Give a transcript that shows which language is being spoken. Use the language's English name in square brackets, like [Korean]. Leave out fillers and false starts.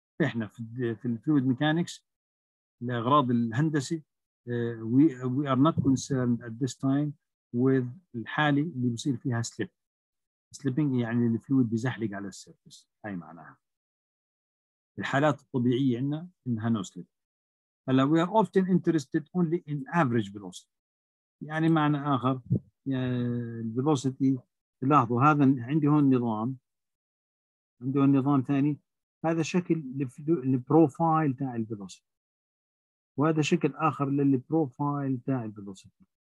[Arabic] احنا في الفلويد ميكانكس لأغراض الهندسة [English] we are not concerned at this time with [Arabic] الحالة اللي بصير فيها سليب. سليبينج يعني الفلويد بيزحلق على السيرفس، هاي معناها. الحالات الطبيعية عندنا إنها نو سليب. [English] هلا we are often interested only in average velocity، [Arabic] يعني معنى آخر الفيلوسيتي. لاحظوا هذا عندي هون نظام، عندي هون نظام ثاني، هذا شكل للبروفايل تاع الفيلوسيتي، وهذا شكل آخر للبروفايل تاع الفيلوسيتي.